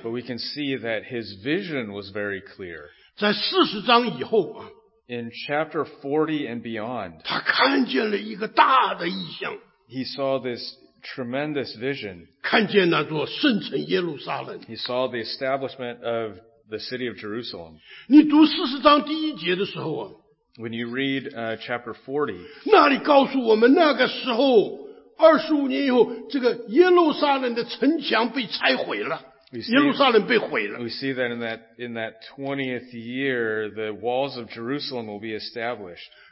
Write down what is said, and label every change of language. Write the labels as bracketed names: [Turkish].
[English] But we can see that his vision was very clear. [Chinese] 在40章以后, [English] In chapter 40 and beyond, [Chinese] 他看见了一个大的意象。 [English] He saw this tremendous vision. [Chinese] 看见那座圣城耶路撒冷。 [English] He saw the establishment of the city of Jerusalem. [Chinese] 你读40章第一节的时候啊, [English] when you read chapter 40, [Chinese] 那里告诉我们那个时候, 25年以后, 这个耶路撒冷的城墙被拆毁了, 耶路撒冷被毁了。 [English] We see that in that 20th year, the walls of Jerusalem will be established.